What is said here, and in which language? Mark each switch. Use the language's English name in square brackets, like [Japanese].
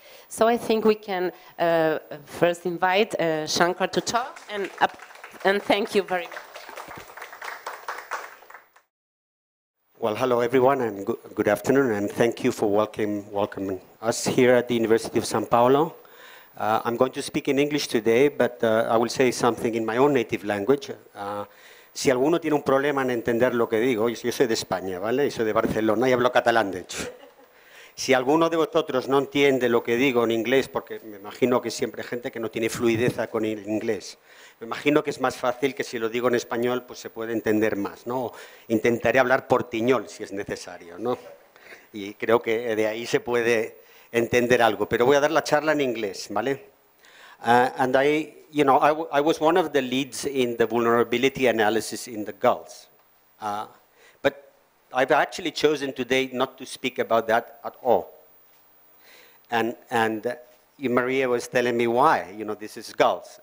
[English] So I think we can first invite Shankar to talk, and thank you very much. Well, hello, everyone, and good afternoon, and thank you for welcoming us here at the University of São Paulo. I'm going to speak in English today, but I will say something in my own native language. [Spanish] Si alguno tiene un problema en entender lo que digo, yo soy de España, ¿vale? Y soy de Barcelona y hablo catalán, de hecho. Si alguno de vosotros no entiende lo que digo en inglés, porque me imagino que siempre hay gente que no tiene fluidez con el inglés, me imagino que es más fácil que si lo digo en español, pues se puede entender más, ¿no? Intentaré hablar portiñol si es necesario, ¿no? Y creo que de ahí se puede entender algo. Pero voy a dar la charla en inglés, ¿vale? [English] I was one of the leads in the vulnerability analysis in the Gulf. But I've actually chosen today not to speak about that at all. And Maria was telling me why, you know, this is Gulf.